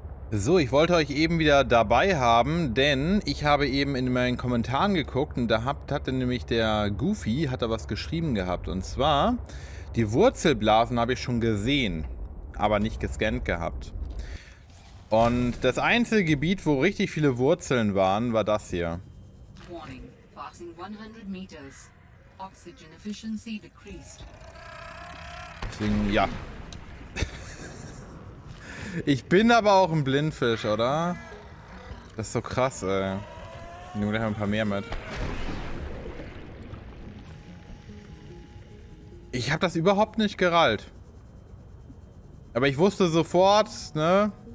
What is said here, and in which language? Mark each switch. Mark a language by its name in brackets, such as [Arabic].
[German] So, ich wollte euch eben wieder dabei haben, denn ich habe eben in meinen Kommentaren geguckt und da hatte nämlich der Goofy, hat da was geschrieben gehabt. Und zwar, die Wurzelblasen habe ich schon gesehen, aber nicht gescannt gehabt. Und das einzige Gebiet, wo richtig viele Wurzeln waren, war das hier. [English] Warning, passing 100 meters. Oxygen efficiency decreased. [German] Deswegen, ja. Ich bin aber auch ein Blindfisch, oder? Das ist so krass, ey. Ich nehme gleich mal ein paar mehr mit. Ich habe das überhaupt nicht gerallt. Aber ich wusste sofort, ne?